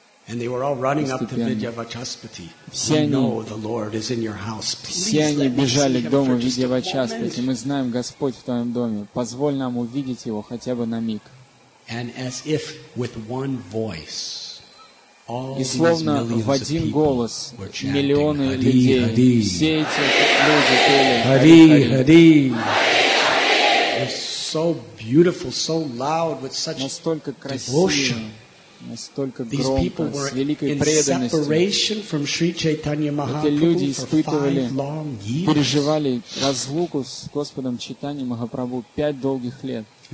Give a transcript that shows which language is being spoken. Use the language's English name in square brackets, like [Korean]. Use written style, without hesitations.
[English] And they were all running up to Vidyavachaspati. [Russian] Все они, [English] the Lord is in your house. [Russian] Все они бежали к дому Видьявачаспати. Мы знаем, Господь в твоем доме. Позволь нам увидеть его хотя бы на миг. [English] And as if with one voice, all [Russian] и словно в один голос миллионы людей, все эти люди пели Хари, Хари. [English] It's so beautiful, so loud, with such devotion. [Russian] Настолько громко, с великой преданностью. Эти люди испытывали, переживали разлуку с Господом Чайтанья Махапрабху 5 долгих лет.